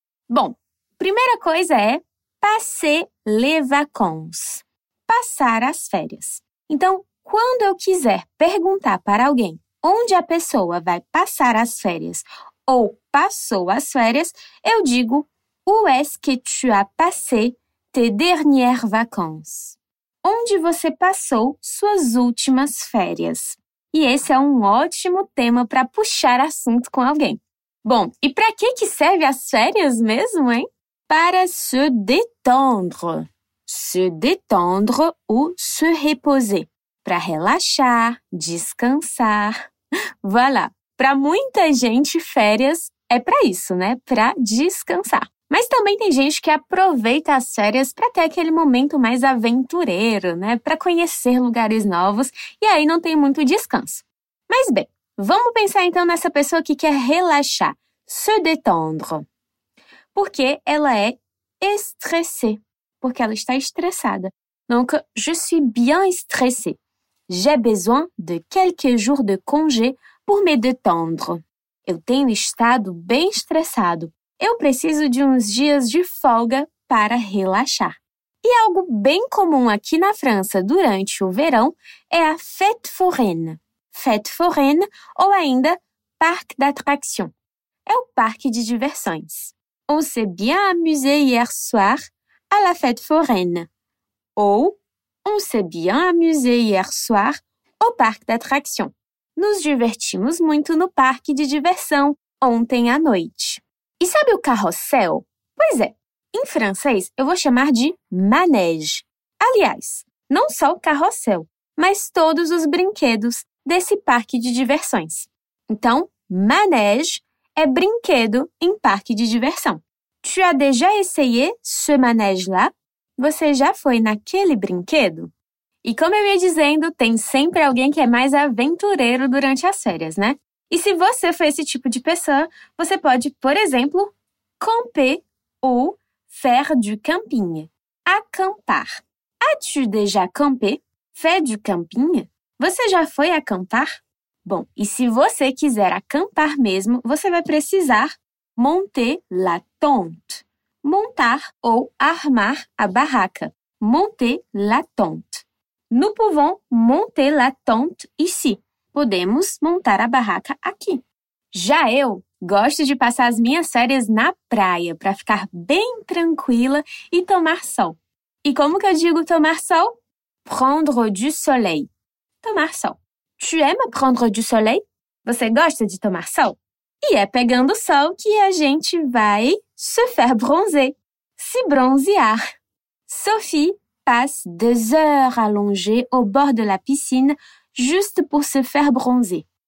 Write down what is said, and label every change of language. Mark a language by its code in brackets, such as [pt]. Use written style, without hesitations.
[pt] Bom, primeira coisa é [fr] passer les vacances. [pt] Passar as férias. Então, quando eu quiser perguntar para alguém onde a pessoa vai passar as férias ou passou as férias, eu digo... [fr] Où est-ce que tu as passé tes dernières vacances? [pt] Onde você passou suas últimas férias? E esse é um ótimo tema para puxar assunto com alguém. Bom, e para que servem as férias mesmo, hein? Para [fr] se détendre. Se détendre ou se reposer. [pt] Para relaxar, descansar. Voilà. Para muita gente, férias é para isso, né? Para descansar. Mas também tem gente que aproveita as férias para ter aquele momento mais aventureiro, né? Para conhecer lugares novos e aí não tem muito descanso. Mas bem, vamos pensar então nessa pessoa que quer relaxar, se détendre. Porque ela é estressée, porque ela está estressada. [fr] Donc, je suis bien stressée. J'ai besoin de quelques jours de congé pour me détendre. [pt] Eu tenho estado bem estressado. Eu preciso de uns dias de folga para relaxar. E algo bem comum aqui na França durante o verão é a fête foraine. [fr] Fête foraine ou ainda parc d'attraction. [pt] É o parque de diversões. [fr] On s'est bien amusé hier soir à la fête foraine. Ou on s'est bien amusé hier soir au parc d'attraction. [pt] Nos divertimos muito no parque de diversão ontem à noite. E sabe o carrossel? Pois é, em francês eu vou chamar de manège. Aliás, não só o carrossel, mas todos os brinquedos desse parque de diversões. Então, manège é brinquedo em parque de diversão. [fr] Tu as déjà essayé ce manège-là? [pt] Você já foi naquele brinquedo? E como eu ia dizendo, tem sempre alguém que é mais aventureiro durante as férias, né? E se você for esse tipo de pessoa, você pode, por exemplo, [fr] camper ou faire du camping. [pt] Acampar. [fr] As-tu déjà campé? Fait du camping? [pt] Você já foi acampar? Bom, e se você quiser acampar mesmo, você vai precisar [fr] monter la tente. [pt] Montar ou armar a barraca. [fr] Monter la tente. Nous pouvons monter la tente ici. [pt] Podemos montar a barraca aqui. Já eu gosto de passar as minhas férias na praia para ficar bem tranquila e tomar sol. E como que eu digo tomar sol? [fr] Prendre du soleil. [pt] Tomar sol. [fr] Tu aimes prendre du soleil? [pt] Você gosta de tomar sol? E é pegando sol que a gente vai se faire bronzer. Se bronzear. [fr] Sophie passe des heures allongée au bord de la piscine juste pour se faire bronzer.